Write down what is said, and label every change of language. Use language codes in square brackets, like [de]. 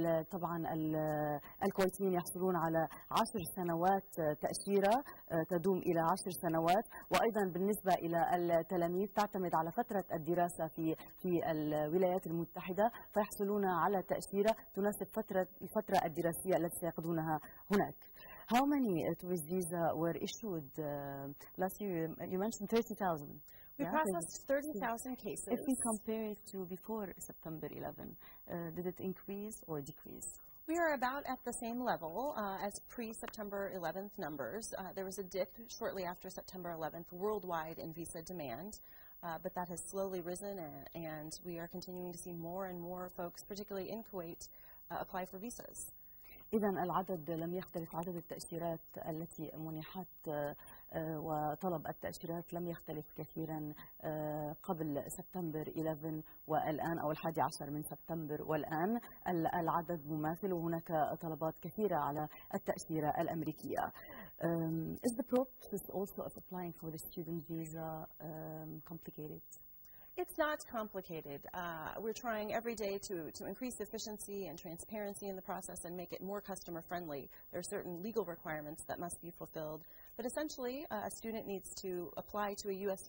[ar] طبعا الكويتيين يحصلون على 10 سنوات تأشيرة تدوم إلى 10 سنوات. وأيضا بالنسبة إلى التلاميذ تعتمد على فترة الدراسة في الولايات المتحدة فيحصلون على تأشيرة تناسب الفترة الدراسية التي سيقضونها هناك. [en] How many tourist visa were issued last year? You mentioned 30,000. We processed 30,000 cases. If we compare it to before September 11, did it increase or decrease? We are about at the same level as pre-September 11th numbers. There was a dip shortly after September 11th worldwide in visa demand, but that has slowly risen, and we are continuing to see more and more folks, particularly in Kuwait, apply for visas. [ar] إذا العدد لم يختلف، عدد التأشيرات التي منحت وطلب التأشيرات لم يختلف كثيرا قبل سبتمبر 11 والآن، أو 11 من سبتمبر والآن العدد مماثل وهناك طلبات كثيرة على التأشيرة الأمريكية. [en] Is the process also of applying for the student visa complicated? It's not complicated. We're trying every day to increase efficiency and transparency in the process and make it more customer friendly. There are certain legal requirements that must be fulfilled. But essentially, a student needs to apply to a U.S.